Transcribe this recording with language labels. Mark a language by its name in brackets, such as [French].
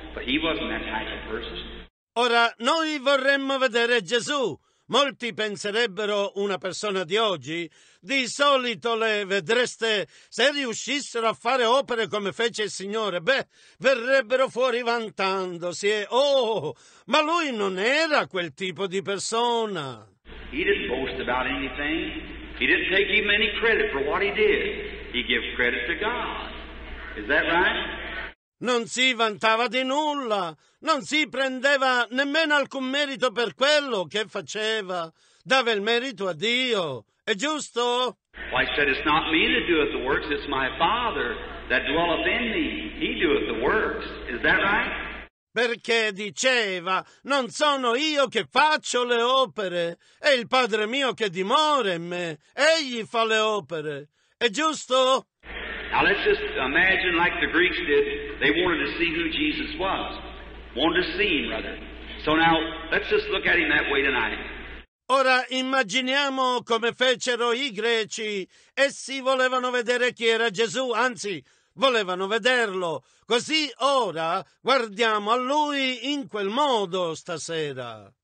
[English] But he wasn't that type of person. [Italian] Ora noi vorremmo vedere Gesù. Molti penserebbero una persona di oggi, di solito le vedreste, se riuscissero a fare opere come fece il Signore, beh, verrebbero fuori vantandosi e, oh, ma lui non era quel tipo di persona. [English] He didn't boast about anything. He didn't take even any credit for what he did. He gave credit to God. Is that right? [Italian] Non si vantava di nulla, non si prendeva nemmeno alcun merito per quello che faceva. Dava il merito a Dio, è giusto? [English] Why said it's not me that doeth the works, it's my Father that dwelleth in me. He doeth the works. Is that right? [Italian] Perché diceva, non sono io che faccio le opere, è il Padre mio che dimora in me. Egli fa le opere, è giusto? [English] Now let's just imagine like the Greeks did. They wanted to see who Jesus was. Wanted to see him, rather. So now, let's just look at him that way tonight. [Italian] Ora immaginiamo come fecero i Greci. Essi volevano vedere chi era Gesù, anzi, volevano vederlo. Così ora guardiamo a lui in quel modo stasera.